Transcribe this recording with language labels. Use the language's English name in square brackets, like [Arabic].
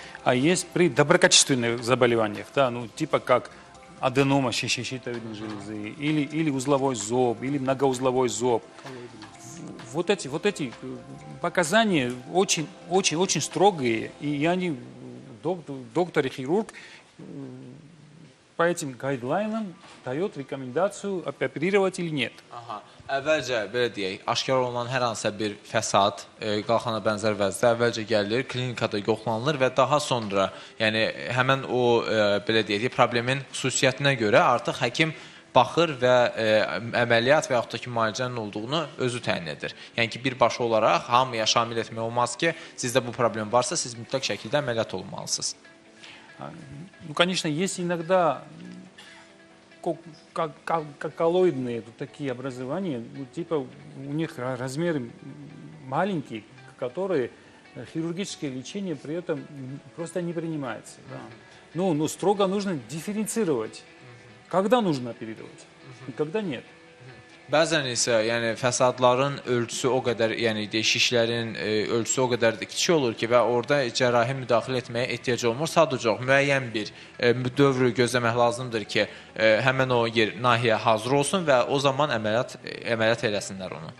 [Russian] а есть при доброкачественных заболеваниях, да, ну, типа как аденома щитовидной железы, или узловой зоб, или многоузловой зоб. Вот эти показания очень-очень-очень строгие, и они, доктор и хирург, по этим гайдлайнам дает рекомендацию оперировать или нет. Ага. [Azerbaijani] Əvvəlcə belə deyək, aşkar olan hər hansı bir fəsad, qalxana bənzər vəzdə əvvəlcə gəlir, klinikada yoxlanılır və daha sonra, yəni həmin o belə deyək, problemin xüsusiyyətinə görə artıq həkim baxır və əməliyyat və yaxud da ki, müalicənin olduğunu özü təyin edir. Yəni ki, birbaşa olaraq hamıya şamil etmək olmaz ki, sizdə bu problem varsa, siz mütləq şəkildə əməliyyat olmalısınız. [Russian] Ну, конечно, есть иногда коллоидные вот такие образования, ну, типа у них размеры маленькие, которые хирургическое лечение при этом просто не принимается. Да. Ну, строго нужно дифференцировать, когда нужно оперировать и когда нет. [Azerbaijani] Bəzən isə, yəni fəsadların ölçüsü o qədər, yəni şişlərin ölçüsü o qədər kiçik olur ki, və orada cərrahi müdaxilə etməyə ehtiyac olmur. Sadəcə müəyyən bir dövrü gözləmək lazımdır ki, həmin o yer nahiyə hazır olsun və o zaman əməliyyat eləsinlər onu.